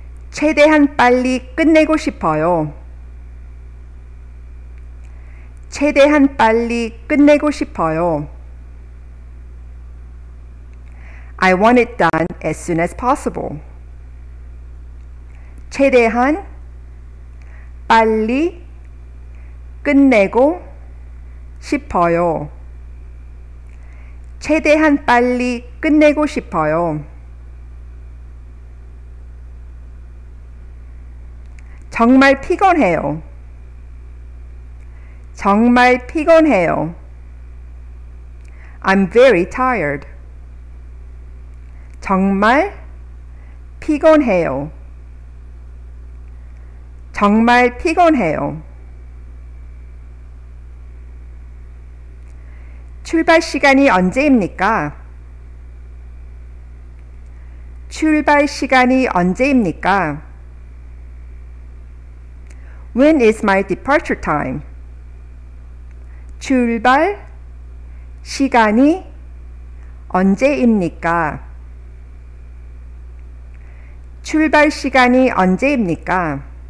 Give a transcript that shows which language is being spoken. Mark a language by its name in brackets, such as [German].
[Korean] 최대한 빨리 끝내고 싶어요. 최대한 빨리 끝내고 싶어요. [English] I want it done as soon as possible. [Korean] 최대한 빨리 끝내고 싶어요. 최대한 빨리 끝내고 싶어요. 정말 피곤해요. 정말 피곤해요. [English] I'm very tired. [Korean] 정말 피곤해요. 정말 피곤해요. 출발 시간이 언제입니까? 출발 시간이 언제입니까? [English] When is my departure time? [Korean] 출발 시간이 언제입니까? 출발 시간이 언제입니까?